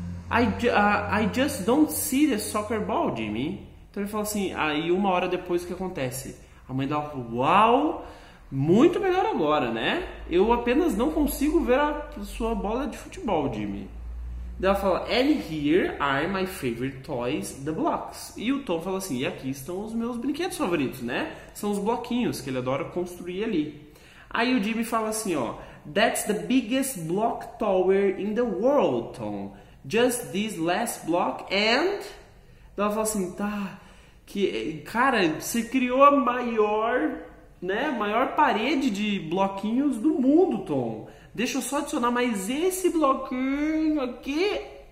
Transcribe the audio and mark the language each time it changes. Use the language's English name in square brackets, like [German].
[English] I just don't see the soccer ball, Jimmy. [Portuguese] Então ele fala assim, aí uma hora depois o que acontece? A mãe dela fala, uau, muito melhor agora, né? Eu apenas não consigo ver a sua bola de futebol, Jimmy. Daí ela fala, [English] and here are my favorite toys, the blocks. [Portuguese] E o Tom fala assim, e aqui estão os meus brinquedos favoritos, né? São os bloquinhos que ele adora construir ali. Aí o Jimmy fala assim, ó, [English] that's the biggest block tower in the world, Tom. Just this last block and... [Portuguese] Daí ela fala assim, tá... Que, cara, você criou a maior, né, maior parede de bloquinhos do mundo, Tom. Deixa eu só adicionar mais esse bloquinho aqui.